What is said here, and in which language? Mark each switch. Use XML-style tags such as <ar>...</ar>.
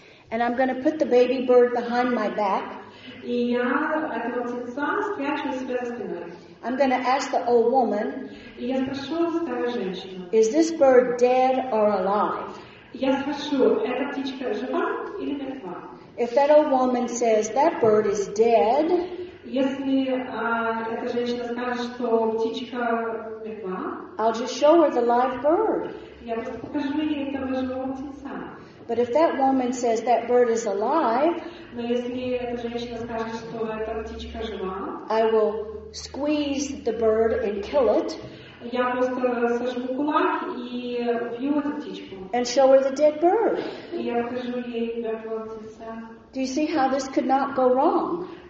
<en>And I'm going to put the baby bird behind my back. I'm going to ask the old woman, is this bird dead or alive? If that old woman says, that bird is dead,</en> <ru>если эта женщина скажет, что птичка мертва,</ru> <en>I'll just show her the live bird.</en> <ru>Я просто покажу ей этого живого птенца.</ru> <en>But if that woman says that bird is alive,</en> <ru>но если эта женщина скажет, что эта птичка жива,</ru> <en>I will squeeze the bird and kill it.</en> <ru>Я просто сожму кулак и убью эту птичку.</ru> <en>And show her the dead bird.</en> <ru>И я покажу ей мертвого птенца.</ru> <en>Do you see how this could not go wrong?</en>